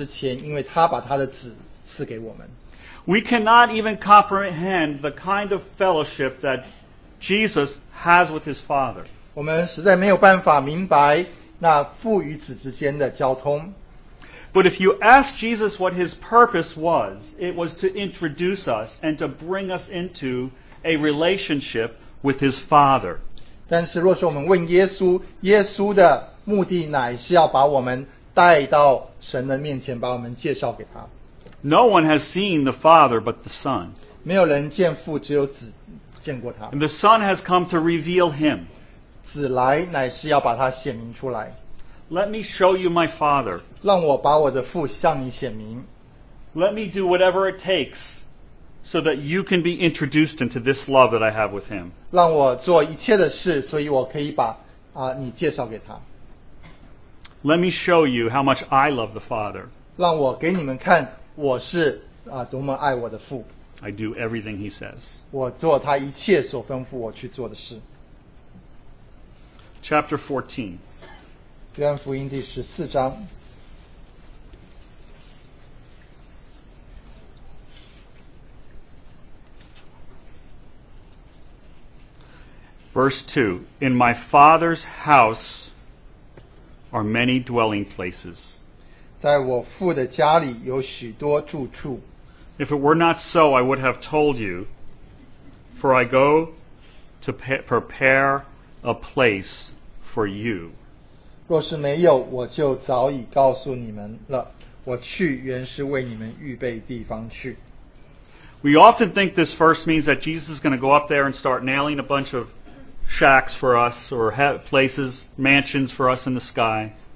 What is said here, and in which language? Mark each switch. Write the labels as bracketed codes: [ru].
[zh] 父爱我们甚至是在我们爱他之前因为他把他的子赐给我们。 [en] We cannot even comprehend the kind of fellowship that Jesus has with his Father. [zh] 我们实在没有办法明白那父与子之间的交通。 [en] But if you ask Jesus what his purpose was, it was to introduce us and to bring us into a relationship with his Father. [zh] 但是若是我们问耶稣，耶稣的目的乃是要把我们带到神的面前，把我们介绍给他。 [en] No one has seen the Father but the Son. [zh] 没有人见父，只有子。 [en] And the Son has come to reveal him. [zh] 子来乃是要把他显明出来。 [en] Let me show you my Father. [zh] 让我把我的父向你显明。 [en] Let me do whatever it takes so that you can be introduced into this love that I have with him. [zh] 让我做一切的事,所以我可以把你介绍给他。 [en] Let me show you how much I love the Father. [zh] 让我给你们看我是多么爱我的父。 [en] I do everything he says. [zh] 我做他一切所吩咐我去做的事。Chapter [en] 14. [zh] 约翰福音第14章。 [en] Verse 2. In my Father's house are many dwelling places. [zh] 在我父的家里有许多住处。 [en] If it were not so, I would have told you, for I go to prepare a place for you. [zh] 若是没有,我就早已告诉你们了,我去原是为你们预备地方去。We [en] often think this verse means that Jesus is going to go up there and start nailing a bunch of shacks for us, or places, mansions for us in the sky.